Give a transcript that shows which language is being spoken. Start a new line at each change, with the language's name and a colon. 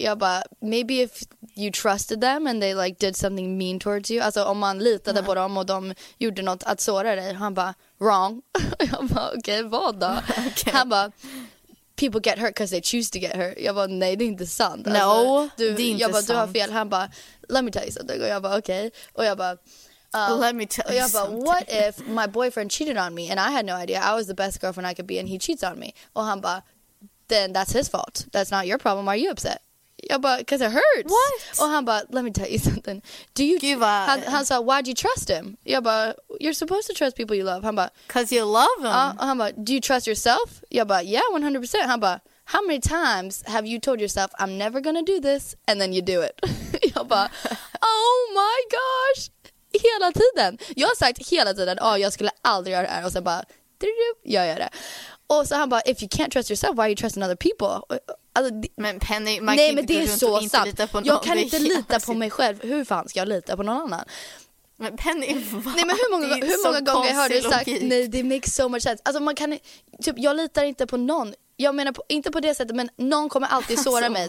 Swedish: Jag bara,
English: maybe if you trusted them and they like did something mean towards you.
Swedish: Alltså om man litade på dem och de gjorde något att såra dig. Han bara, wrong. Jag bara, okej, okay, vad då? Okay. Han bara,
English: people get hurt because they choose to get hurt.
Swedish: Jag bara, nej, det är inte sant. No, alltså, du, det är inte jag bara, sant. Du har fel. Han bara,
English: let me tell you something.
Swedish: Och jag bara, okej. Okay. Och jag bara,
English: let me tell
Swedish: och jag
English: you
Swedish: bara,
English: something. What if my boyfriend cheated on me and I had no idea. I was the best girlfriend I could be and he cheats on me.
Swedish: Och han bara,
English: then that's his fault. That's not your problem. Are you upset?
Swedish: Jag bara,
English: because it hurts. What?
Swedish: Och han bara,
English: let me tell you something. Do you give up?
Swedish: Han sa,
English: why'd you trust him?
Swedish: Jag bara,
English: you're supposed to trust people you love.
Swedish: Han bara,
English: because you love them.
Swedish: Han bara,
English: do you trust yourself?
Swedish: Jag bara,
English: yeah, 100%.
Swedish: Han bara,
English: how many times have you told yourself, I'm never going to do this, and then you do it?
Swedish: Jag bara,
English: oh my gosh.
Swedish: Hela tiden. Jag har sagt hela tiden, oh, jag skulle aldrig göra det här. Och sen bara, jag gör det. Och så han bara,
English: if you can't trust yourself, why are you trusting other people?
Swedish: Alltså, men Penny, man nej, men det är så sant. Jag kan inte lita på mig själv. Hur fan ska jag lita på någon annan? Men Penny, nej, men hur många gånger har du sagt logik. Nej, det
English: makes so much sense.
Swedish: Alltså, man kan, typ, jag litar inte på någon. Jag menar inte på det sättet, men någon kommer alltid såra alltså, mig.